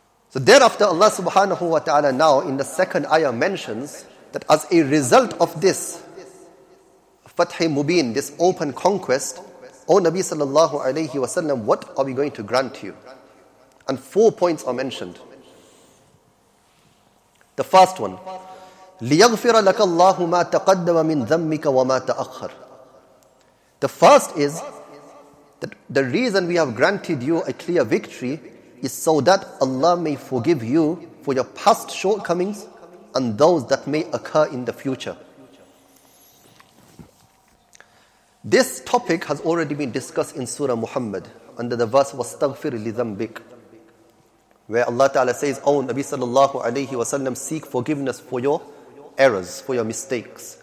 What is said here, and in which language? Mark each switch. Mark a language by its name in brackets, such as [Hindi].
[English] So thereafter, Allah subhanahu wa ta'ala now in the second ayah mentions that as a result of this Fathi Mubin, this open conquest, O Nabi sallallahu alayhi wa sallam, what are we going to grant you? And 4 points are mentioned. The first one, [Arabic] لِيَغْفِرَ لَكَ اللَّهُ مَا تَقَدَّمَ مِنْ ذَمِّكَ وَمَا تَأَخَّرَ. [English] The first is that the reason we have granted you a clear victory is so that Allah may forgive you for your past shortcomings and those that may occur in the future. This topic has already been discussed in Surah Muhammad under the verse [Arabic] وَاسْتَغْفِرْ لِذَنْبِكَ, [English] where Allah Ta'ala says, O Nabi sallallahu alayhi wa sallam, seek forgiveness for your errors, for your mistakes.